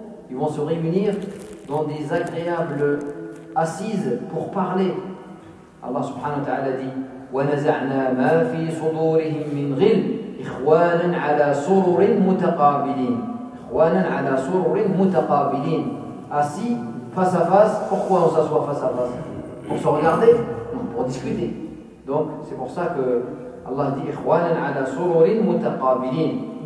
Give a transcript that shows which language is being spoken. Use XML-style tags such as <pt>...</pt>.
<fr>Ils vont se réunir dans des agréables assises pour parler.</fr> <ar>Allah subhanahu wa ta'ala dit وَنَزَعْنَا مَا فِي صُدُورِهِمْ مِنْ غِلٍ إِخْوَانًا عَلَى صُرُرٍ مُتَقَابِلِينَ. إِخْوَانًا عَلَى صُرُرٍ مُتَقَابِلِينَ.</ar> <fr>Assis face à face. Pourquoi on s'assoit face à face? Pour se regarder? Non, pour discuter. Donc c'est pour ça que Allah dit</fr> <ar>إِخْوَانًا عَلَى صُرُرٍ مُتَقَابِلِينَ.</ar>